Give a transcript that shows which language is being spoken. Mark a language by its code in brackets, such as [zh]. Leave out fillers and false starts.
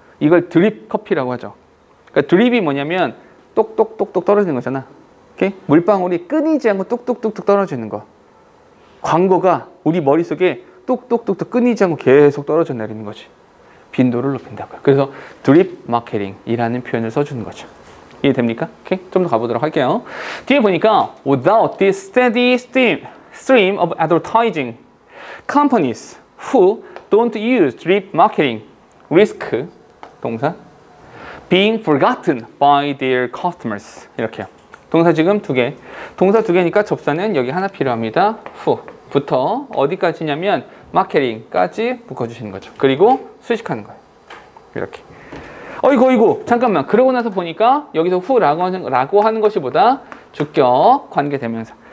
[ko] 이걸 드립 커피라고 하죠. 그러니까 드립이 뭐냐면 똑똑똑똑 떨어지는 거잖아. 이렇게 물방울이 끊이지 않고 뚝뚝뚝뚝 떨어지는 거. 광고가 우리 머릿속에 뚝뚝뚝뚝 끊이지 않고 계속 떨어져 내리는 거지. 빈도를 높인다고요. 그래서 드립 마케팅이라는 표현을 써주는 거죠. 이해됩니까? 오케이. 좀 더 가보도록 할게요. [en] 뒤에 보니까 without this steady stream of advertising, companies who don't use drip marketing risk [ko] 동사 [en] being forgotten by their customers. [ko] 이렇게요. 동사 지금 두 개. 동사 두 개니까 접사는 여기 하나 필요합니다. who부터 어디까지냐면 마케팅까지 묶어주시는 거죠. 그리고 수식하는 거예요. 이렇게. 어이구 잠깐만. 그러고 나서 보니까 여기서 후라고 하는 것이보다 주격 관계대명사.